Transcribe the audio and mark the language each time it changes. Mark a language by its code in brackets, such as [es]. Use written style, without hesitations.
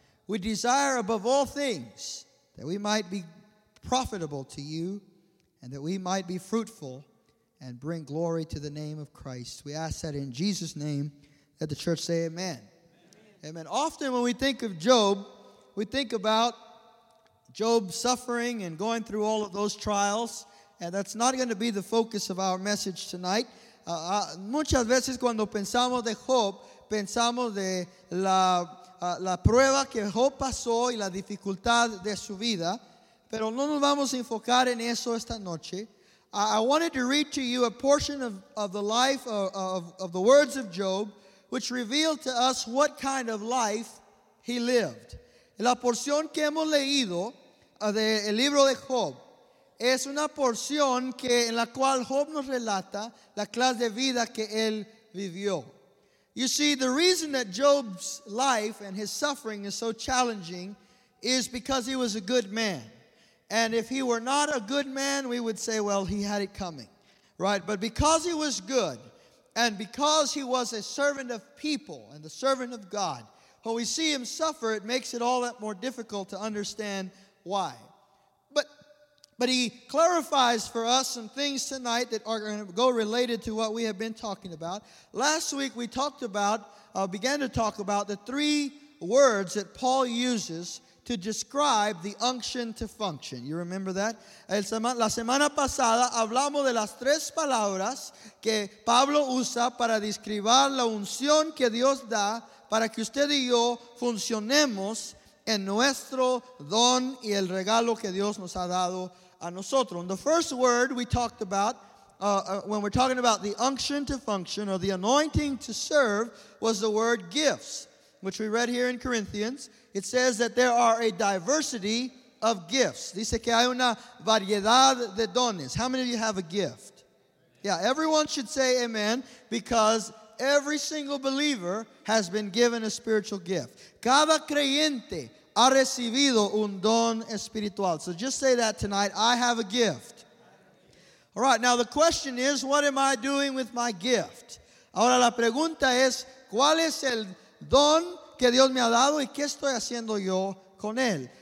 [en] We desire above all things that we might be profitable to you, and that we might be fruitful and bring glory to the name of Christ. We ask that in Jesus' name. Let the church say amen. Amen. Amen. Often when we think of Job, we think about Job suffering and going through all of those trials. And that's not going to be the focus of our message tonight. [es] Muchas veces cuando pensamos de Job, pensamos de la prueba que Job pasó y la dificultad de su vida. Pero no nos vamos a enfocar en eso esta noche. [en] I wanted to read to you a portion of the life of the words of Job, which revealed to us what kind of life he lived. [es] La porción que hemos leído del libro de Job es una porción que en la cual Job nos relata la clase de vida que él vivió. [en] You see, the reason that Job's life and his suffering is so challenging is because he was a good man. And if he were not a good man, we would say, well, he had it coming, right? But because he was good, and because he was a servant of people and the servant of God, when we see him suffer, it makes it all that more difficult to understand why. But he clarifies for us some things tonight that are going to go related to what we have been talking about. Last week we talked about, began to talk about the three words that Paul uses to describe the unction to function. You remember that? [es] La semana pasada hablamos de las tres palabras que Pablo usa para describir la unción que Dios da para que usted y yo funcionemos en nuestro don y el regalo que Dios nos ha dado a nosotros. [en] And the first word we talked about when we're talking about the unction to function or the anointing to serve was the word gifts, which we read here in Corinthians. It says that there are a diversity of gifts. [es] Dice que hay una variedad de dones. [en] How many of you have a gift? Yeah, everyone should say amen, because every single believer has been given a spiritual gift. [es] Cada creyente ha recibido un don espiritual. [en] So just say that tonight, I have a gift. All right, now the question is, what am I doing with my gift? [es] Ahora la pregunta es, ¿cuál es el don que Dios me ha dado y qué estoy haciendo yo con él?